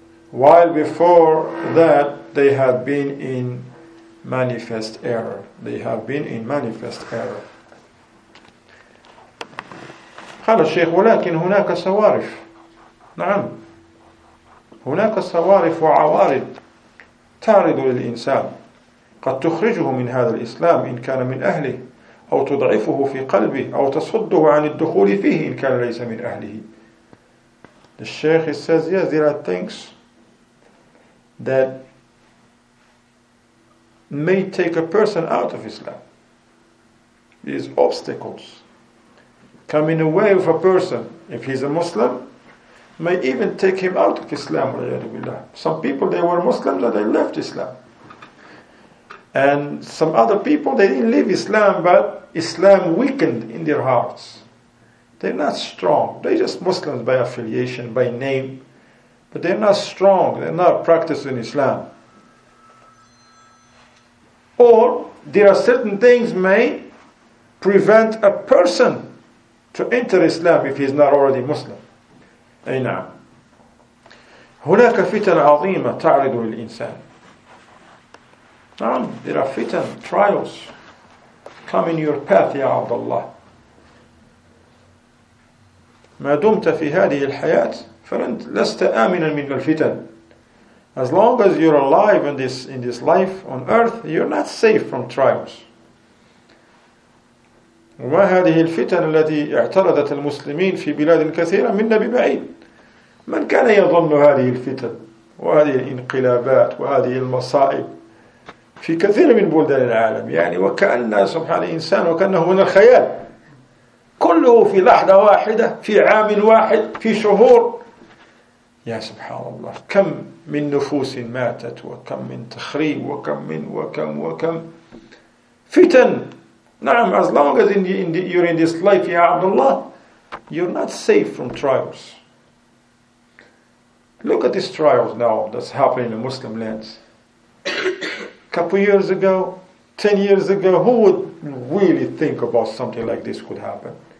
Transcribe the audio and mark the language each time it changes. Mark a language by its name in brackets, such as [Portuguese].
[English] While before that they had been in manifest error. They have been in manifest error. [Arabic] قال الشيخ ولكن هناك صوارف. نعم هناك صوارف وعوارض تعرض للإنسان قد تخرجه من هذا الإسلام إن كان من أهله أو تضعفه في قلبه أو تصده عن الدخول فيه إن كان ليس من أهله. [English] The Sheikh says, yes, there are things that may take a person out of Islam. These obstacles come in the way of a person. If he's a Muslim, may even take him out of Islam. Some people, they were Muslims and they left Islam. And some other people, they didn't leave Islam, but Islam weakened in their hearts. They're not strong. They're just Muslims by affiliation, by name. But they're not strong. They're not practicing Islam. Or there are certain things may prevent a person to enter Islam if he's not already Muslim. [Arabic] أي نعم. هناك فتن عظيمة تعرض للإنسان. نعم. [English] There are fitan, trials come in your path [Arabic] يا عبد الله. ما دمت في هذه الحياة فلن لست آمنا من الفتن. [English] As long as you're alive in this life on earth, you're not safe from trials. [Arabic] وما هذه الفتن التي اعترضت المسلمين في بلاد كثيرة منا ببعيد. من كان يظن هذه الفتن وهذه الانقلابات وهذه المصائب في كثير من بلدان العالم؟ يعني وكأن سبحان الإنسان وكأنه من الخيال، كله في لحظة واحدة، في عام واحد، في شهور. يا سبحان الله، كم من نفوس ماتت، وكم من تخريب، وكم فتن. نعم. [English] As long as you're in this life [Arabic] يا عبد الله، [English] you're not safe from trials. Look at these trials now that's happening in the Muslim lands. Couple years ago, 10 years ago, who would really think about something like this could happen?